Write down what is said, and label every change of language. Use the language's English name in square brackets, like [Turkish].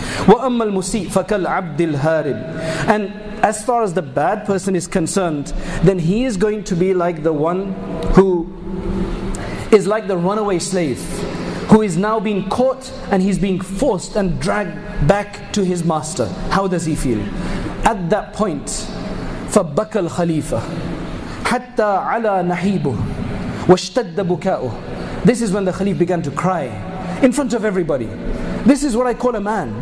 [Arabic] وَأَمَّا الْمُسِيءُ فَكَالْ عَبْدِ الْهَارِبِ. [English] And as far as the bad person is concerned, then he is going to be like the one who is like the runaway slave, who is now being caught and he's being forced and dragged back to his master. How does he feel? At that point, [Arabic] فَبَكَى الْخَلِيفَةُ حَتَّى عَلَى نَحِيبُهُ وَاشْتَدَّ بُكَاؤُهُ. [English] This is when the Khalif began to cry in front of everybody. This is what I call a man.